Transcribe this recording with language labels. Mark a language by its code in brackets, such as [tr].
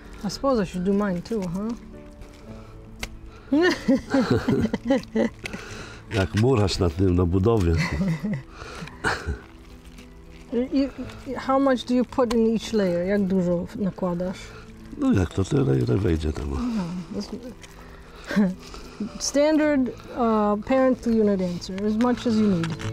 [en] I suppose I should do mine too, huh? [pl] Jak murarz na tym na budowie. [en] How much do you put in each layer? [pl] Jak dużo nakładasz? No jak to tyle, ile wejdzie tam. [en] Standard parent to unit answer, as much as you need.